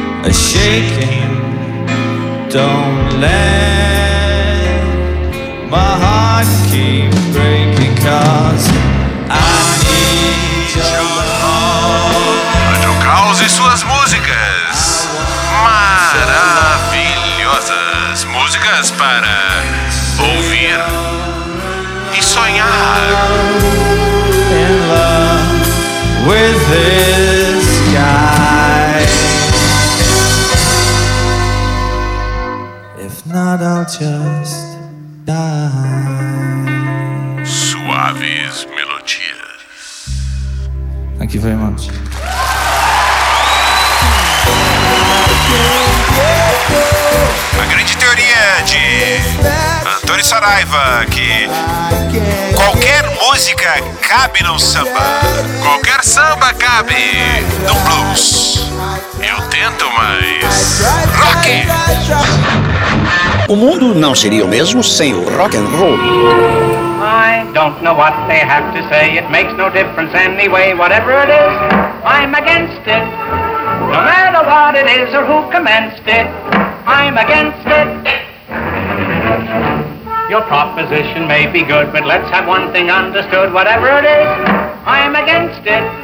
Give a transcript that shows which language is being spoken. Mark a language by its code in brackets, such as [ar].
[en] Shaking, don't let my heart keep breaking, 'cause I need your love. [pt] Rádio Caos e suas músicas maravilhosas. Músicas para ouvir e sonhar. [en] In love with this guy. Not, I'll just die. [pt] Suaves melodias. [en] Thank you very much. [pt] A grande teoria de Antônio Saraiva, que qualquer música cabe num samba, qualquer samba cabe num blues. Eu tento, mas rock. O mundo não seria o mesmo sem o rock and roll. [en] I don't know what they have to say. It makes no difference anyway. Whatever it is, I'm against it. No matter what it is or who commenced it, I'm against it. Your proposition may be good, but let's have one thing understood. Whatever it is, I'm against it.